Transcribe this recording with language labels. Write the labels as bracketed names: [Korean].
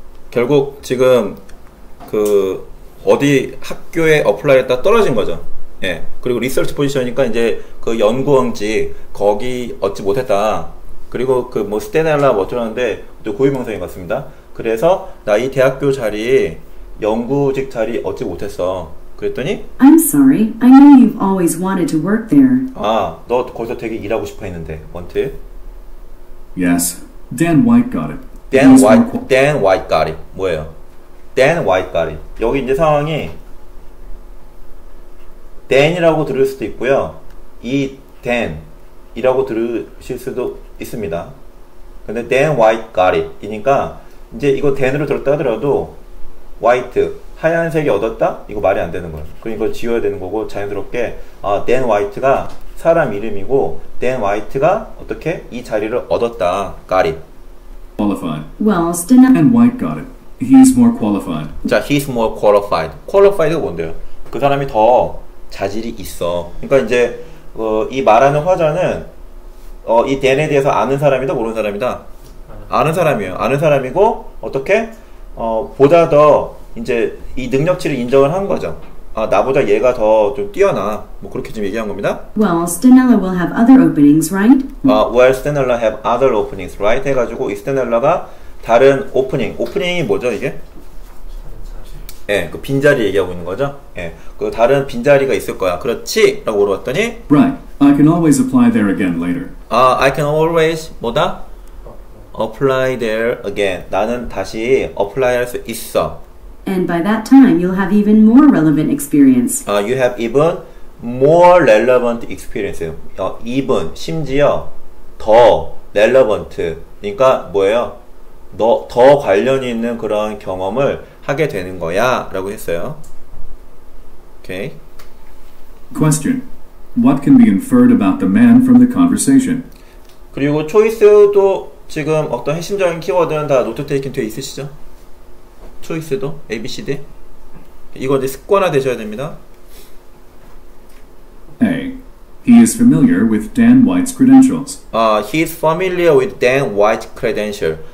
[Korean] 결국 지금 그 어디 학교에 어플라이했다 떨어진 거죠. 예. 그리고 리서치 포지션이니까 이제 그 연구원직 거기 얻지 못했다. 그리고 그 뭐 스테넬라 뭐 어쩌는데 또 고위명성인 것 같습니다. 그래서 나 이 대학교 자리 연구직 자리 얻지 못했어. 그랬더니 [English] I'm sorry. I know you've always wanted to work there. [Korean] 아, 너 거기서 되게 일하고 싶어 했는데. [English] 원트. Yes. Dan White got it. Dan White got it. [Korean] 뭐예요? [English] Dan White got it. [Korean] 여기 이제 상황이 Dan이라고 들을 수도 있고요. 이 Dan이라고 들으실 수도 있습니다. [English] 근데 Dan White got it. [Korean] 이니까 이제 이거 Dan으로 들었다 하더라도 White, 하얀색이 얻었다? 이거 말이 안 되는 거예요. 그럼 이거 지워야 되는 거고 자연스럽게 Dan White가 사람 이름이고 Dan White가 어떻게 이 자리를 얻었다. [English] Got it. Qualified. Well, Stanella and White got it. He's more qualified. 자, he's more qualified. [Korean] Qualified가 뭔데요? 그 사람이 더 자질이 있어. 그러니까 이제 이 말하는 화자는 이 댄에 대해서 아는 사람이다, 모르는 사람이다. 아는 사람이에요. 아는 사람이고 어떻게 보다 더 이제 이 능력치를 인정을 한 거죠. 아, 나보다 얘가 더 좀 뛰어나. 뭐 그렇게 좀 얘기한 겁니다. [English] Well, Stanella will have other openings, right? Well, Stanella have other openings, right? [Korean] 해가지고 이 Stanella가 다른 오프닝. 오프닝이 뭐죠, 이게? 예, 그 빈자리 얘기하고 있는 거죠. 예, 그 다른 빈자리가 있을 거야. 그렇지? 라고 물어봤더니 [English] Right. I can always apply there again later. I can always [Korean] 뭐다? [English] Apply there again. [Korean] 나는 다시 apply 할 수 있어. [English] And by that time, you'll have even more relevant experience. You have even more relevant experience. [Korean] Even, 심지어 더 relevant. 그러니까 뭐예요? 너 더 관련이 있는 그런 경험을 하게 되는 거야 라고 했어요. [English] Okay. Question. What can be inferred about the man from the conversation? [Korean] 그리고 choice도 지금 어떤 핵심적인 키워드는 다 노트 테이킹 되어 있으시죠? 초이스도 ABCD 이거 이제 습관화 되셔야 됩니다. [English] A. He is familiar with Dan White's credentials. He is familiar with Dan White's credentials.